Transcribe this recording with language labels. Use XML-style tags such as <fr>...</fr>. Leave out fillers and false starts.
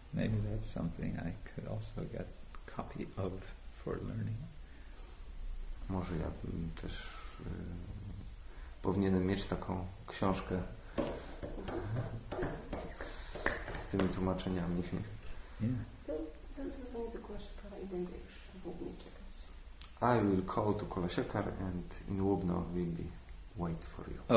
<en>Maybe that's something I could also get a copy of for learning.</en> <pl>Może ja też powinienem mieć taką książkę z tymi tłumaczeniami. To zaraz dzwonię do Kula Shekhara i będzie już w Łubnie czekać.</pl> <en>I will call to Kula Shekhar and in Łubno will be wait for you.</en>